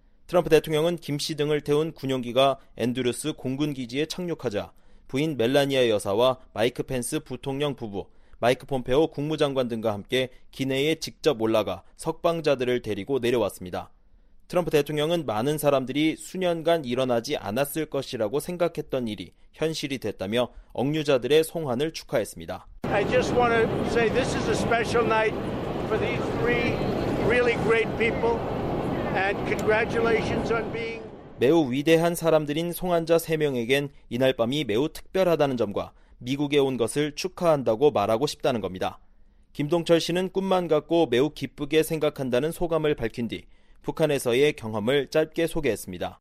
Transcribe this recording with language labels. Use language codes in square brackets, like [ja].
[ko] 트럼프 대통령은 김 씨 등을 태운 군용기가 앤드루스 공군기지에 착륙하자 부인 멜라니아 여사와 마이크 펜스 부통령 부부, 마이크 폼페오 국무장관 등과 함께 기내에 직접 올라가 석방자들을 데리고 내려왔습니다. 트럼프 대통령은 많은 사람들이 수년간 일어나지 않았을 것이라고 생각했던 일이 현실이 됐다며 억류자들의 송환을 축하했습니다. [en] I just want to say this is a special night for these three really great people and congratulations on being [ko] 매우 위대한 사람들인 송환자 3명에겐 이날 밤이 매우 특별하다는 점과 미국에 온 것을 축하한다고 말하고 싶다는 겁니다. 김동철 씨는 꿈만 같고 매우 기쁘게 생각한다는 소감을 밝힌 뒤 북한에서의 경험을 짧게 소개했습니다.